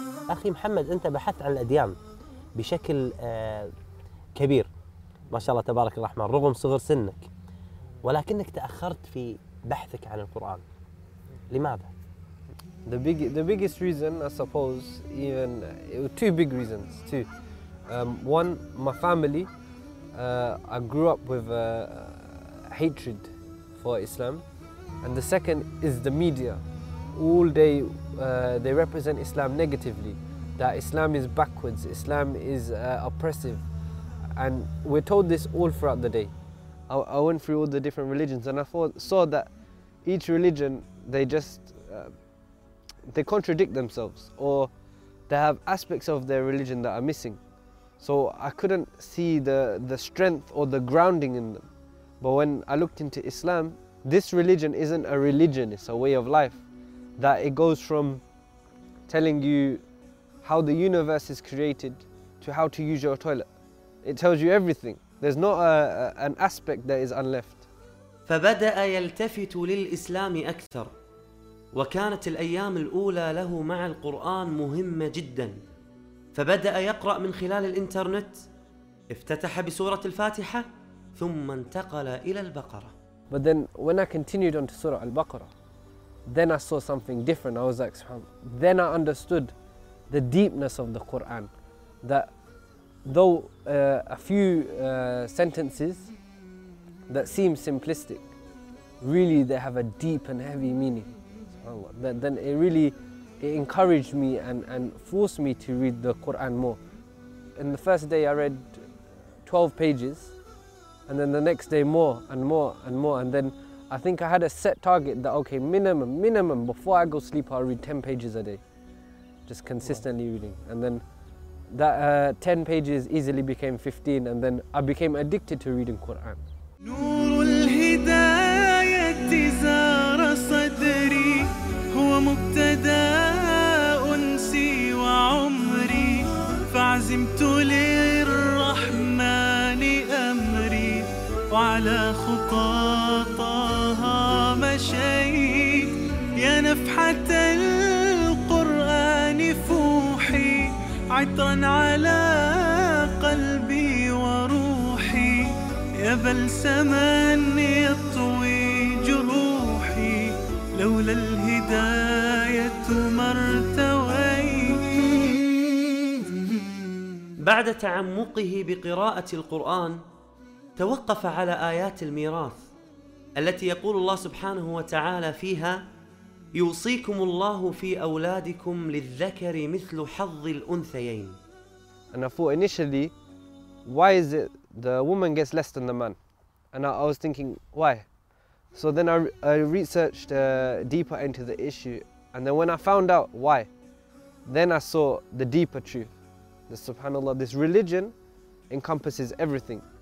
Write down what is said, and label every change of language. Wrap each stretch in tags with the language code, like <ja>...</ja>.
<ar>أخي محمد، أنت بحثت عن الأديان بشكل كبير ما شاء الله تبارك الرحمن، رغم صغر سنك، ولكنك تأخرت في بحثك عن القرآن، لماذا؟</ar> <en>The biggest reason, I suppose, even two big reasons too. One, my family. I grew up with a hatred for Islam, and the second is the media. All day they represent Islam negatively, that Islam is backwards, Islam is oppressive. And we're told this all throughout the day. I went through all the different religions, and I saw that each religion, they just they contradict themselves, or they have aspects of their religion that are missing. So I couldn't see the strength or the grounding in them. But when I looked into Islam, this religion isn't a religion, it's a way of life. That it goes from telling you how the universe is created to how to use your toilet. It tells you everything. There's not an aspect that is unleft.</en> <ar>فبدأ يلتفت للإسلام أكثر، وكانت الأيام الأولى له مع القرآن مهمة جدا. فبدأ يقرأ من خلال الإنترنت، افتتح بسورة الفاتحة، ثم انتقل إلى البقرة.</ar> <en>But then when I continued on to Surah Al-Baqarah, then I saw something different. I was like, subhanAllah. Then I understood the deepness of the Quran, that though a few sentences that seem simplistic, really they have a deep and heavy meaning. Then it really encouraged me and forced me to read the Quran more. In the first day I read 12 pages, and then the next day more and more and more. And then I think I had a set target that, okay, minimum, before I go sleep, I'll read 10 pages a day, just consistently reading. And then that 10 pages easily became 15, and then I became addicted to reading Quran.</en> <ar>نور الهداية زار صدري هو مبتدا أنسي وعمري فعزمت للرحمن أمري وعلى خطى طه مشيت يا نفحة القرآن فوحي عطراً على قلبي وروحي يا بلسماً يطوي جروحي لولا الهداية ما ارتويت. بعد تعمقه بقراءة القرآن توقف على آيات الميراث التي يقول الله سبحانه وتعالى فيها: يوصيكم الله في أولادكم للذكر مثل حظ الأنثيين.</ar> <en>And I thought initially, why is it the woman gets less than the man? And I was thinking, why? So then I researched deeper into the issue. And then when I found out why, then I saw the deeper truth. The subhanAllah, this religion encompasses everything.</en>